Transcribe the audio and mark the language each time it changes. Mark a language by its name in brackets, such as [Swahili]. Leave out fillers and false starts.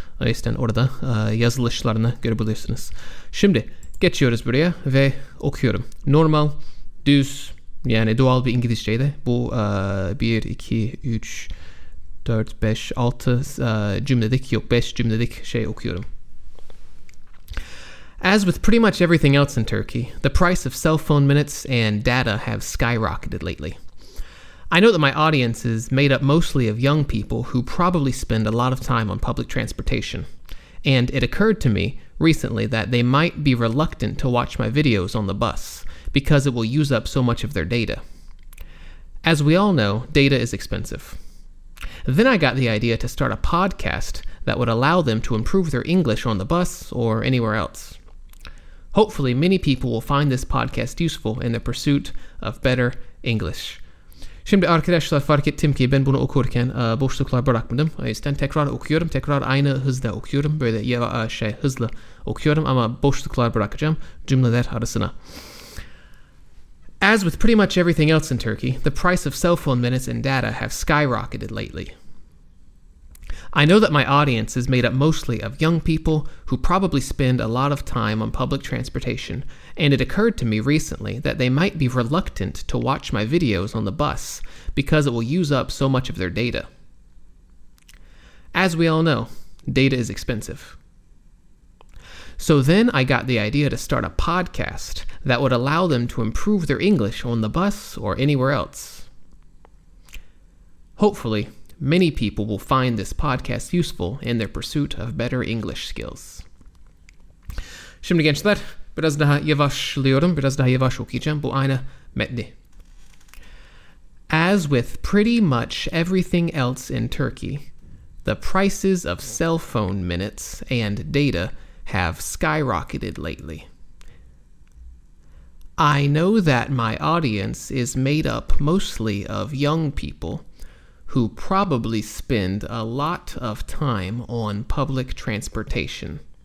[Turkish] O yüzden orada yazılışlarını görebilirsiniz. Şimdi geçiyoruz buraya ve okuyorum. Normal düz, yani doğal bir İngilizceyle bu 1, 2, 3, 4, 5, 6 cümledik, yok 5 cümledik şey okuyorum. [English] As with pretty much everything else in Turkey, the price of cell phone minutes and data have skyrocketed lately. I know that my audience is made up mostly of young people who probably spend a lot of time on public transportation. And it occurred to me recently that they might be reluctant to watch my videos on the bus, because it will use up so much of their data. As we all know, data is expensive. Then I got the idea to start a podcast that would allow them to improve their English on the bus or anywhere else. Hopefully, many people will find this podcast useful in the pursuit of better English. [Turkish] Şimdi arkadaşlar fark ettim ki ben bunu okurken boşluklar bırakmadım. O yüzden tekrar okuyorum. Tekrar aynı hızda okuyorum. Böyle hızlı okuyorum ama boşluklar bırakacağım cümleler arasına. [English] As with pretty much everything else in Turkey, the price of cell phone minutes and data have skyrocketed lately. I know that my audience is made up mostly of young people who probably spend a lot of time on public transportation, and it occurred to me recently that they might be reluctant to watch my videos on the bus because it will use up so much of their data. As we all know, data is expensive. So then I got the idea to start a podcast that would allow them to improve their English on the bus or anywhere else. Hopefully, many people will find this podcast useful in their pursuit of better English skills. [Turkish] Şimdi gençler, biraz daha yavaşlıyorum, biraz daha yavaş okuyacağım bu aynı metni. [English] As with pretty much everything else in Turkey, the prices of cell phone minutes and data have skyrocketed lately. I know that my audience is made up mostly of young people who probably spend a lot of time on public transportation.